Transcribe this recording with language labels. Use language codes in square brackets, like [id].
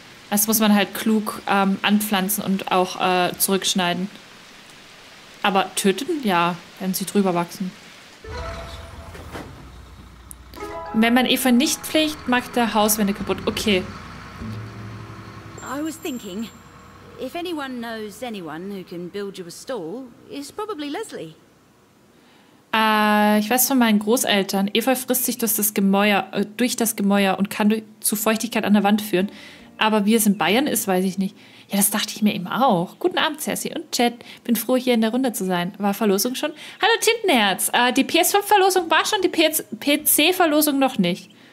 [de] Das muss man halt klug anpflanzen und auch zurückschneiden. Aber töten, ja, wenn sie drüber wachsen. Wenn man Efeu nicht pflegt, macht der Hauswände kaputt. Okay. [en] I was thinking. If anyone knows anyone who can build you a stall, it's probably Leslie. [de] Ich weiß von meinen Großeltern. Efeu frisst sich durch das Gemäuer, und kann zu Feuchtigkeit an der Wand führen. Aber wie es in Bayern ist, weiß ich nicht. Ja, das dachte ich mir eben auch. Guten Abend, Cersei und Chad. Bin froh, hier in der Runde zu sein. War Verlosung schon? Hallo, Tintenherz. Die PS5-Verlosung war schon, die PC-Verlosung noch nicht.